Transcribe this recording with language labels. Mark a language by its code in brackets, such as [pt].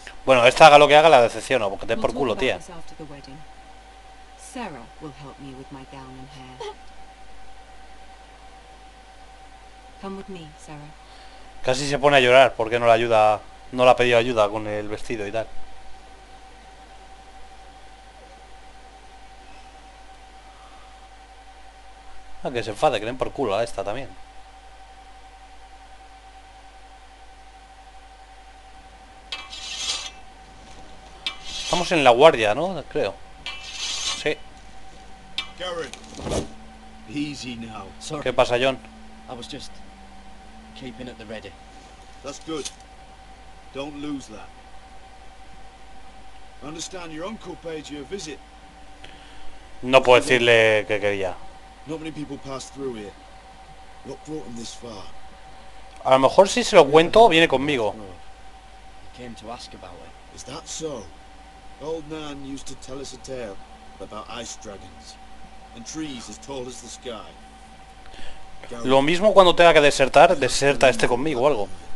[es] Bueno, esta haga lo que haga, la decepciono, porque te por culo, tía. [en] Sarah will help me with my gown and hair. Come with me, Sarah. [es] Casi se pone a llorar porque no la ayuda, no la ha pedido ayuda con el vestido y tal. Ah, que se enfade, que den por culo a esta también. Estamos en la guardia, ¿no? Creo. Sí. [en] Garrett. Easy now. Sorry. [es] ¿Qué pasa, John? [en] I was just keeping at the ready. That's good. Don't lose that. I understand your uncle paid you a visit. [es] No puedo decirle que quería. [en] Not many people pass through here. What brought him this far? A lo mejor si se lo cuento, viene conmigo. He came to ask about it. Is that so? Old Nan used to tell us a tale about ice dragons and trees as tall as the sky. [es] Lo mismo cuando tenga que desertar, deserta este conmigo o algo.